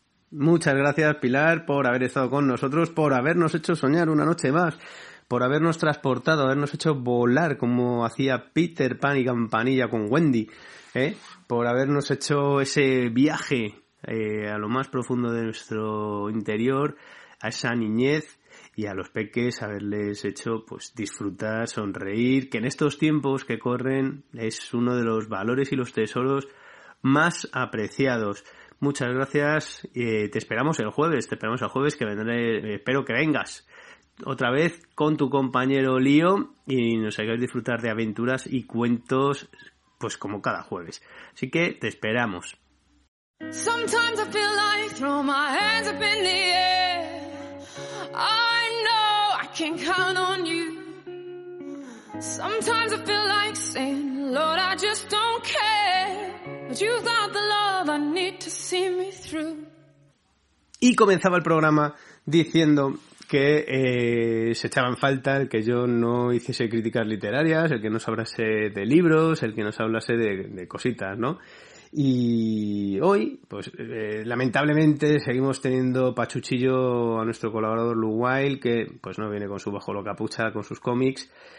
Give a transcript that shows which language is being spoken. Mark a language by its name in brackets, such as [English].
[Spanish] Muchas gracias, Pilar, por haber estado con nosotros, por habernos hecho soñar una noche más, por habernos transportado, habernos hecho volar como hacía Peter Pan y Campanilla con Wendy, por habernos hecho ese viaje a lo más profundo de nuestro interior, a esa niñez y a los peques, haberles hecho pues disfrutar, sonreír, que en estos tiempos que corren es uno de los valores y los tesoros más apreciados. Muchas gracias, te esperamos el jueves, que vendré, espero que vengas otra vez con tu compañero Lío y nos hagáis disfrutar de aventuras y cuentos, pues como cada jueves. Así que te esperamos. [English] Sometimes I feel like throw my hands up in the air. I know I can count on you. Sometimes I feel like saying, Lord, I just don't care. But you got the love I need to see me through. [Spanish] Y comenzaba el programa diciendo que se echaba en falta el que yo no hiciese críticas literarias, el que nos hablase de libros, el que nos hablase de cositas, ¿no? Y hoy, pues lamentablemente, seguimos teniendo pachuchillo a nuestro colaborador Lou Wild, que pues no viene con su bajo la capucha, con sus cómics.